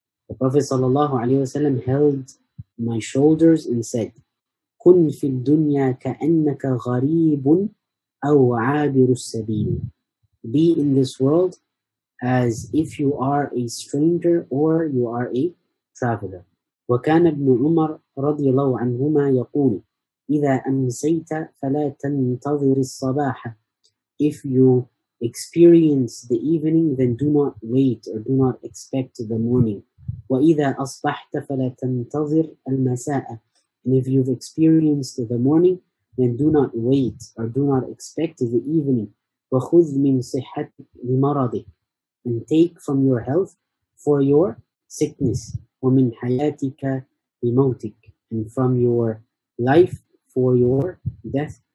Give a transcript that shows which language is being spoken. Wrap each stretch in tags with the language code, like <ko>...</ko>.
<en>the Prophet</en> <ar>صلى الله عليه وسلم</ar> <en>held my shoulders and said,</en> <ar>كن في الدنيا كأنك غريب أو عابر السبيل.</ar> <en>Be in this world as if you are a stranger or you are a traveler.</en> <ar>وكان ابن عمر رضي الله عنهما يقول, إذا أمسيت فلا تنتظر الصباح.</ar> <en>If you experience the evening, then do not wait or do not expect the morning.</en> <ar>وإذا أصبحت فلا تنتظر المساء.</ar> <en>And if you've experienced the morning, then do not wait or do not expect the evening.</en> <ar>وخذ من صحتك لمرضك.</ar> <en>And take from your health for your sickness.</en> <ar>ومن حياتك لموتك.</ar> <en>And from your life for your death.</en>